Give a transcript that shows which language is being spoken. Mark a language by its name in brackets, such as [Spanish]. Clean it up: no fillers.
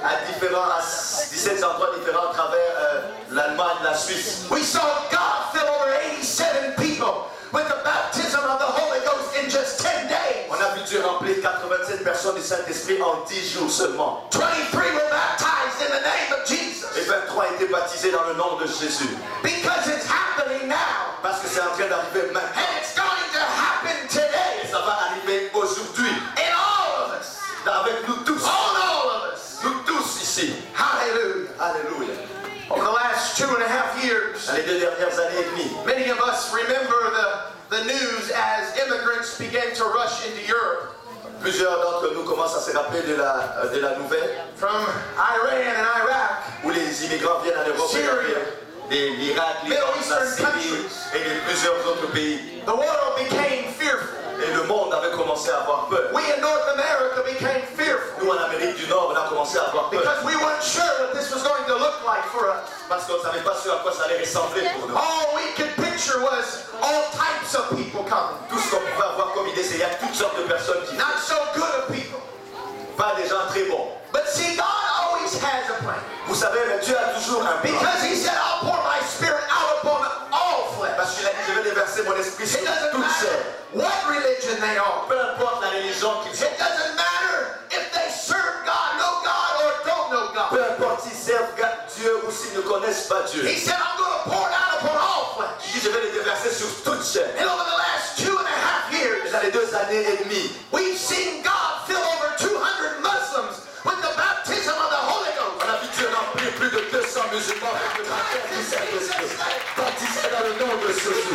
[French] À 17 endroits différents à travers l'Allemagne, la Suisse. [English] We saw God fill over 87 people with the baptism of the Holy Ghost in just 10 days. [French] On a vu Dieu remplir 87 personnes du Saint-Esprit en 10 jours seulement. [English] 23 were baptized in the name of Jesus. [French] Et 23 étaient baptisés dans le nom de Jésus. [English] Because it's happening now. [French] Parce que c'est en train d'arriver maintenant. [English] And it's going to happen today. [French] Et ça va arriver aujourd'hui. [English] In all of us. [French] Avec nous tous. [English] On all of us. [French] Nous tous ici. [English] Hallelujah. [French] Hallelujah. [English] Over the last 2.5 years, many of us remember the news as immigrants began to rush into Europe. [French] Plusieurs d'entre nous commencent à se rappeler de la nouvelle. [English] From Iran and Iraq, [French] où les immigrants viennent à l'Europe. [English] Syria, [French] l'Irak, [English] Middle Eastern countries, [French] et de plusieurs autres pays. [English] The world became fearful. [French] Et le monde avait commencé à avoir peur. [English] We in North America became fearful. [French] Nous en Amérique du Nord, on a commencé à avoir peur. [English] Because we weren't sure what this was going to look like for us. [French] Parce qu'on savait pas sûr à quoi ça allait ressembler pour nous. [English] All we could picture was all types of people coming. [French] Tout ce qu'on pouvait avoir comme idée, c'est qu'il y a toutes sortes de personnes qui. [English] Not so good of people. [French] Pas des gens très bons. [English] But see, God always has a plan. [French] Vous savez, mais Dieu a toujours un plan. [English] Because He said, I'll pour my Spirit out upon all flesh. [French] Parce qu'il a dit, je vais déverser mon esprit sur toutes celles. [English] It doesn't matter what religion they are. [French] Peu importe la religion qu'ils [English] ont. It doesn't matter if they serve God, know God, or don't know God. [French] Peu importe s'ils servent Dieu ou s'ils ne connaissent pas Dieu. [English] He said, I'm going to pour out upon all flesh. [French] Il dit, je vais les déverser sur toutes celles. [English] And over the last 2.5 years, [French] dans les 2 années et demie, [English] we've seen God fill over 200 Muslims with the baptism of the Holy Ghost. [French] On a vu Dieu remplir plus de 200 musulmans avec le baptême du Saint-Esprit. Baptisé dans le nom de Jésus.